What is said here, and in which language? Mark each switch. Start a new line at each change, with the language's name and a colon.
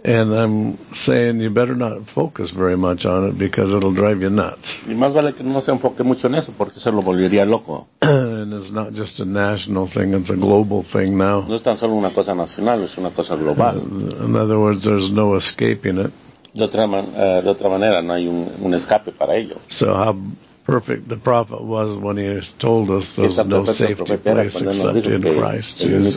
English: And I'm saying you better not focus very much on it because it'll drive you nuts.
Spanish: Y más vale que no se enfoque mucho en eso porque se lo volvería loco.
English: And it's not just a national thing, it's a global thing now.
Spanish: No es tan solo una cosa nacional, es una cosa global.
English: In other words, there's no escaping it.
Spanish: De otra manera, no hay un escape para ello.
English: So how perfect the prophet was when he told us there's no safety place except in Christ Jesus.